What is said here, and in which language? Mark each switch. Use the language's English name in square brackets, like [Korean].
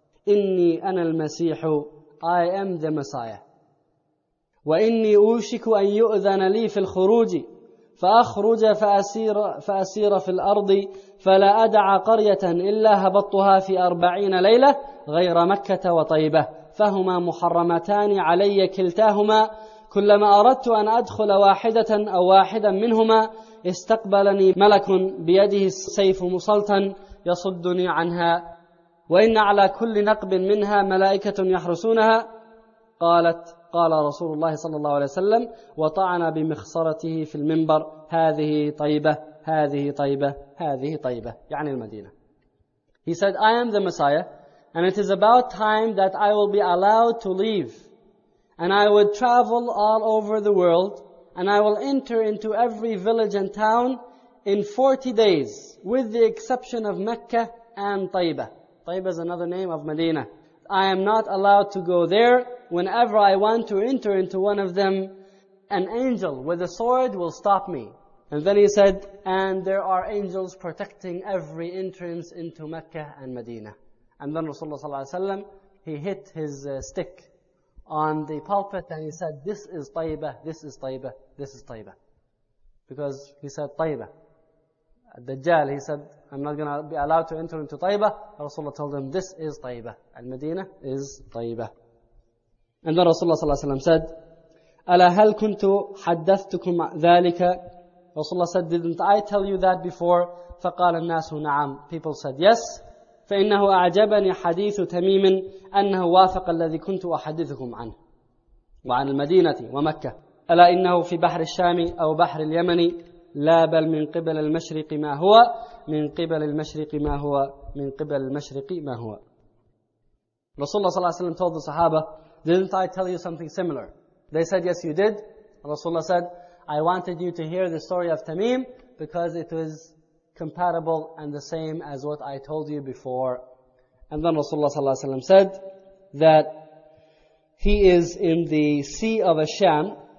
[Arabic] إني أنا المسيح. [English] I am the Messiah. [Arabic] وإني أوشك أن يؤذن لي في الخروج فأخرج فأسير في الأرض فلا أدع قرية إلا هبطتها في 40 ليلة غير مكة وطيبة فهما محرمتان علي كلتاهما كلما أردت أن أدخل واحدة أو واحدا منهما استقبلني ملك بيده السيف مسلطا يصدني عنها وإن على كل نقب منها ملائكة يحرسونها. قالت قال رسول الله صلى الله عليه وسلم وطعن بمخصرته في المنبر هذه طيبة هذه طيبة هذه طيبة يعني المدينة. [English] He said, "I am the Messiah and it is about time that I will be allowed to leave and I would travel all over the world and I will enter into every village and town in 40 days with the exception of Mecca and Taiba." Taiba is another name of Medina. "I am not allowed to go there. Whenever I want to enter into one of them, an angel with a sword will stop me." And then he said, "And there are angels protecting every entrance into Mecca and Medina." And then Rasulullah sallallahu alayhi wa sallam, he hit his stick on the pulpit and he said, "This is Taiba, this is Taiba, this is Taiba." Because he said Taiba. Dajjal, he said, "I'm not going to be allowed to enter into Taiba." Rasulullah told him, "This is Taiba. Al-Madina is Taiba." And then Rasulullah sallallahu alayhi wa sallam said, [Arabic] "Ala hal kuntu haddathtukum thalika?" [English] Rasulullah said, "Didn't I tell you that before?" [Arabic] فَقَالَ النَّاسُ نَعَمْ. [English] People said, "Yes." [Arabic] فإنه أعجبني حديث تميم أنه وافق الذي كنت أحدثكم عنه وعن المدينة ومكة ألا إنه في بحر الشام أو بحر اليمن لا بل من قبل المشرق ما هو من قبل المشرق ما هو من قبل المشرق ما هو. [English] رسول الله صلى الله عليه وسلم told the Sahaba, "Didn't I tell you something similar?" They said, "Yes, you did." Rasulullah said, "I wanted you to hear the story of Tamim because it was compatible and the same as what I told you before." And then Rasulullah sallallahu alayhi wa sallam said that he is in the Sea of Asham.